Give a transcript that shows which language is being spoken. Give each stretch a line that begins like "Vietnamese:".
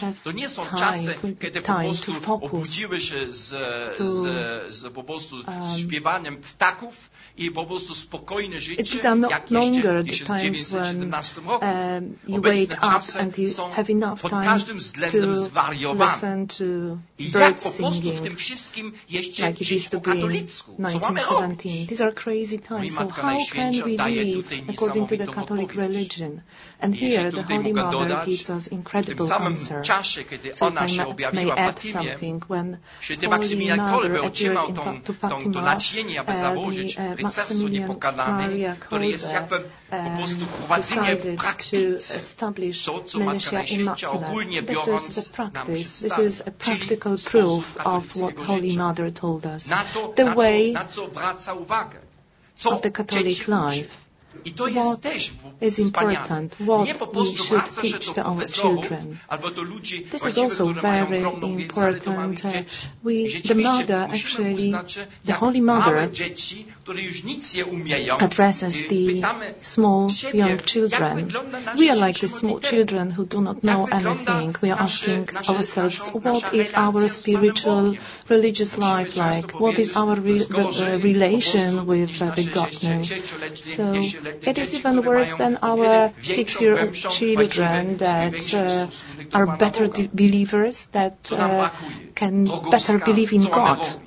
Polish: To nie są czasy, kiedy po prostu obudziły się z śpiewaniem ptaków i po prostu spokojne życie, jak jeszcze w 1917 roku. Obecne czasy są pod każdym względem zwariowane. I jak po prostu w tym wszystkim jeszcze żyć po katolicku? Co mamy robić?
English: These are crazy times. So how can we live according to the Catholic religion? And here the Holy Mother gives us incredible answer.
Polish: Czasie, kiedy so ona się objawiła w Fatimie, Święty Maksymilian Kolbe otrzymał to nacienie, aby założyć rycerstwo niepokalanej, które jest jakby po prostu wprowadzenie w praktyce to, co Matka Najświętsza ogólnie biorąc nam przedstawia, czyli sposób katolickiego życia. Na to, na co wraca uwagę, co dzieci uczy. I to jest też wspaniałe. Nie po prostu wraca się do profesorów albo do ludzi, którzy mają ogromną wiedzę, ale to mamy dzieci. I rzeczywiście musimy uznać, że jak małe dzieci, które już nic nie umieją, pytamy siebie, jak wygląda nasze życie modlitewne. Jak wygląda nasze relacja z Panem Bogiem?
English: Asking ourselves, what is our spiritual religious life like? What is our relation with the Godhead? So, it is even worse than our six-year-old children that are better believers, that can better believe in God.